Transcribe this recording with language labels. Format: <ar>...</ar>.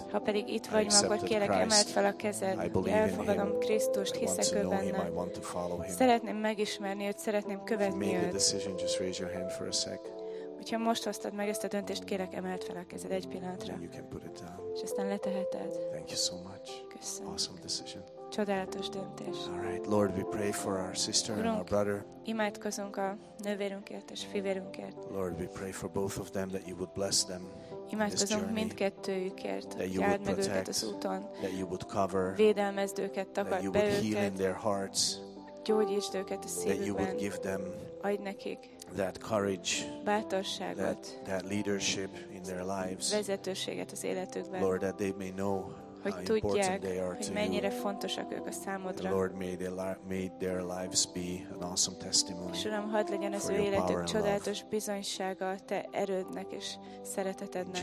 <hu>Ha pedig itt vagy ma, akkor kérlek, emeld fel a kezed, hogy elfogadom Krisztust, hiszek ő benne. Szeretném megismerni őt, szeretném követni.</hu> <en>Made the decision, just raise your hand for a sec.</en> <hu>Hogyha most hoztad meg ezt a döntést, kérek, emeld fel a kezed egy pillanatra.</hu> <en>You can put it down.</en> <hu>És aztán leteheted.</hu> <en>Thank you so much.</en> <hu>Köszönöm.</hu> <en>Awesome decision.</en> <hu>Csodálatos döntés.</hu> <en>All right, Lord, we pray for our sister</en> <hu>Urunk,</hu> <en>and our brother.</en> <hu>Imádkozunk a nővérünkért és fivérünkért.</hu> <en>Lord, we pray for both of them that you would bless them.</en> <hu>Imádkozunk mindkettőjükért, hogy járd meg őket az úton.</hu> <en>That you would cover.</en> <hu>Védelmezd őket, takarj be őket.</hu> <en>That you would heal in their hearts.</en> <hu>Gyógyítsd őket a szívükben.</hu> <en>That you would give them</en> <hu>nekik</hu> <en>that courage,</en> <hu>bátorságot,</hu> <en>that leadership in their lives.</en> <hu>Vezetőséget az életükben.</hu> <en>Lord, that they may know</en> <hu>hogy</hu> <en>how</en> <hu>tudják,</hu> <en>important they are</en> <hu>hogy</hu> <en>to</en> <hu>mennyire</hu> <en>you.</en> <hu>Fontosak ők a számodra.</hu> <en>Lord, may their lives be an awesome testimony.</en> <hu>És Uram, hadd legyen az ő életük csodálatos bizonysága a te erődnek és szeretetednek.</hu>